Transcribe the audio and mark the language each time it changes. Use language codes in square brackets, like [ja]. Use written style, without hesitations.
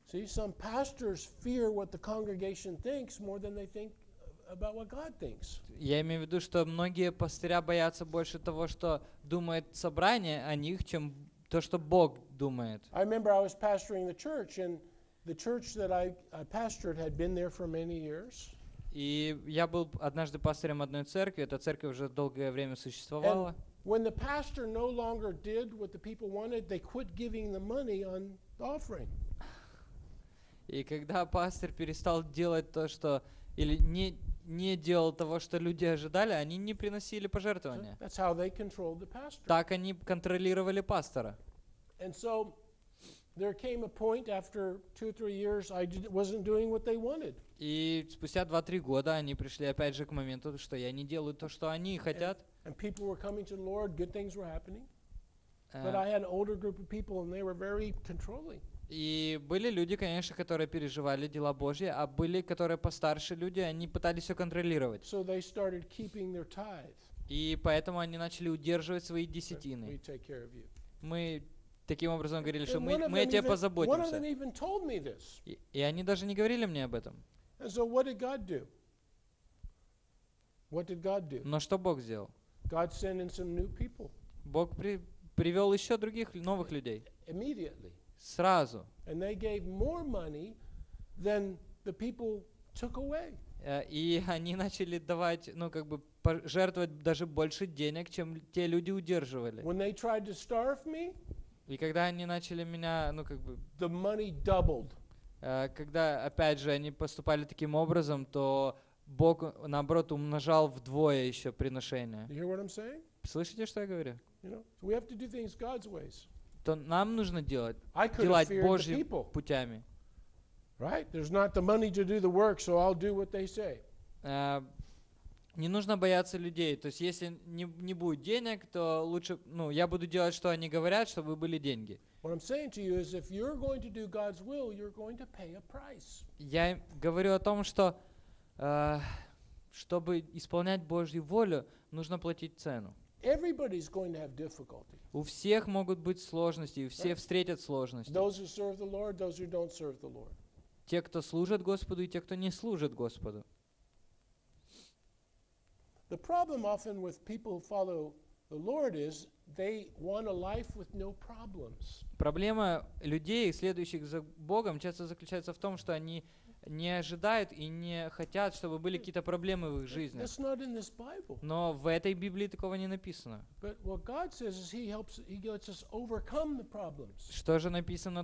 [en] See, some pastors fear what the congregation thinks more than they think about what God thinks. [ru] Я имею в виду, что многие пастыря боятся больше того, что думает собрание о них, чем то, что Бог думает. [en] I remember I was pastoring the church, and the church that I pastored had been there for many years. [ru] И я был однажды пастырем одной церкви, эта церковь уже долгое время существовала. [en] When the pastor no longer did what the people wanted, they quit giving the money on the offering. [ru] И когда пастор перестал делать то, что или не делал того, что люди ожидали, они не приносили пожертвования. [en] That's how they controlled the pastor. [ru] Так они контролировали пастора. [en] And so there came a point after 2-3 years I wasn't doing what they wanted. [ru] И спустя 2-3 года они пришли опять же к моменту, что я не делаю то, что они хотят. [en] And people were coming to the Lord, good things were happening. But I had an older group of people, and they were very controlling. [ru] И были люди, конечно, которые переживали дела Божьи, а были, которые постарше люди, они пытались все контролировать. [en] So they started keeping their tithe. [ru] И поэтому они начали удерживать свои десятины. [en] We take care of you. [ru] Мы таким образом говорили, что мы о тебе позаботимся. [en] One of them even told me this. [ru] И они даже не говорили мне об этом. [en] And so what did God do? What did God do? [ru] Но что Бог сделал? [en] God sent in some new people. [ru] Бог привел еще других новых людей. [en] Immediately. [ru] Сразу. [en] And they gave more money than the people took away. [ru] И они начали давать, ну как бы жертвовать даже больше денег, чем те люди удерживали. [en] When they tried to starve me, [ru] и когда они начали меня, ну как бы, [en] the money doubled. [ru] Когда опять же они поступали таким образом, то Бог наоборот умножал вдвое еще приношение. [en] You hear what I'm saying? [ru] Слышите, что я говорю? [en] You know, so we have to do things God's ways. [ru] То нам нужно делать Божьими путями. [en] Right? There's not the money to do the work, so I'll do what they say. [ru] Не нужно бояться людей. То есть если не будет денег, то лучше, ну, я буду делать, что они говорят, чтобы были деньги. [en] What I'm saying to you is, if you're going to do God's will, you're going to pay a price. [ru] Я говорю о том, что чтобы исполнять Божью волю, нужно платить цену. [en] Everybody's going to have difficulty. [ru] У всех могут быть сложности, и все встретят сложности. [en] Those who serve the Lord, those who don't serve the Lord. [ru] Те, кто служат Господу, и те, кто не служат Господу. [en] The problem often with people who follow the Lord is they want a life with no problems. [ru] Проблема людей, следующих за Богом, часто заключается в том, что они не ожидают и не хотят, чтобы были какие-то проблемы в их жизни. Но в этой Библии такого не написано. Что же написано?